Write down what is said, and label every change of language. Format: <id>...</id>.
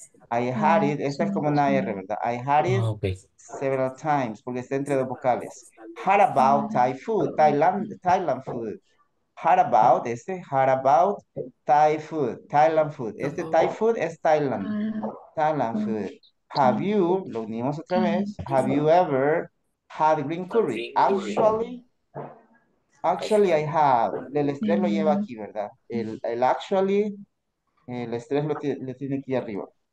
<es>I had it, esta es como una R, ¿verdad?</es> <en>I had it several times, porque está entre dos vocales. How about Thai food, Thailand food? Hot about, este hot about Thai food, Thailand food. Este Thai food es Thailand. Thailand food. Have you, lo unimos otra vez, have you ever had green curry? Actually, I have.</en> <es>El estrés lo lleva aquí, ¿verdad? El actually, el estrés lo tiene aquí arriba.</es>